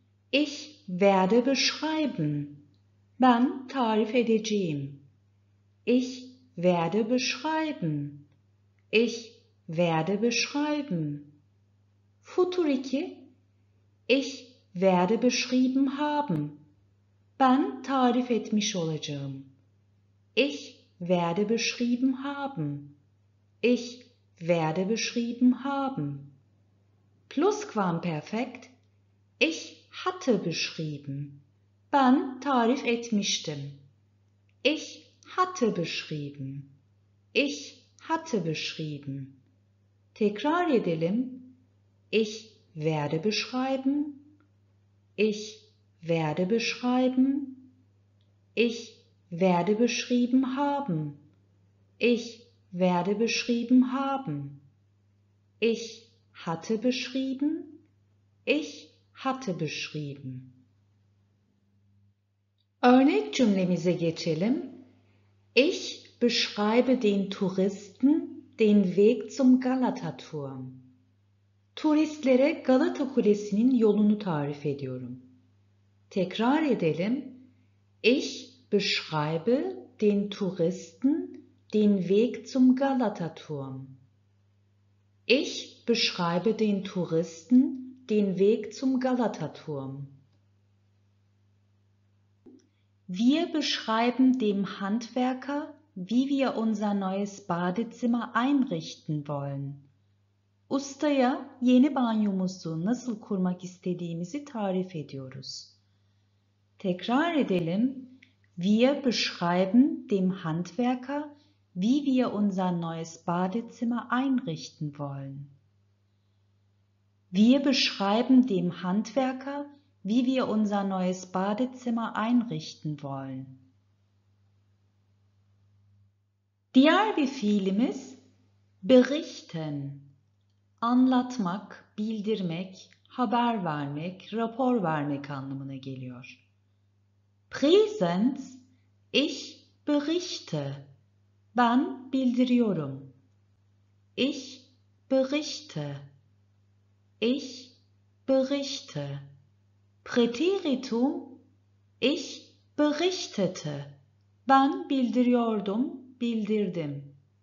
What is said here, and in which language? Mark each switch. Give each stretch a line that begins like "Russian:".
German: Ich werde beschreiben.
Turkish: Ben tarif edeceğim.
German: Ich werde beschreiben. Ich werde beschreiben. Futur iki. Ich werde beschrieben haben.
Turkish: Ben tarif etmiş olacağım.
German: Ich werde beschrieben haben. Ich werde beschrieben haben. Plusquamperfekt. Ich hatte beschrieben.
Turkish: Ben tarif etmiştim.
German: Ich hatte beschrieben. Ich hatte beschrieben.
Turkish: Tekrar edelim.
German: Ich werde beschreiben. Ich werde beschreiben. Ich werde beschrieben haben. Ich werde beschrieben haben. Ich hatte beschrieben. Ich hatte beschrieben.
Turkish: Örnek cümlemize geçelim.
German: Ich beschreibe den Touristen den Weg zum Galataturm.
Turkish: Turistlere Galata Kulesi'nin yolunu tarif ediyorum. Tekrar edelim.
German: Ich beschreibe den Touristen den Weg zum Galataturm. Ich beschreibe den Touristen den Weg zum Galataturm. Wir beschreiben dem Handwerker, wie wir unser neues Badezimmer einrichten wollen.
Turkish: Ustaya yeni banyomuzu nasıl kurmak istediğimizi tarif ediyoruz. Tekrar edelim.
German: Wir beschreiben dem Handwerker, wie wir unser neues Badezimmer einrichten wollen. Wir beschreiben dem Handwerker, wie wir unser neues Badezimmer einrichten wollen.
Turkish: Diğer bir fiilimiz berichten. Anlatmak, bildirmek, haber vermek, rapor vermek anlamına geliyor.
German: Präsenz, ich berichte.
Turkish: Ben bildiriyorum.
German: Ich berichte. Ich berichte. Präteritum, ich berichtete.
Turkish: Ben bildiriyordum, bildirdim.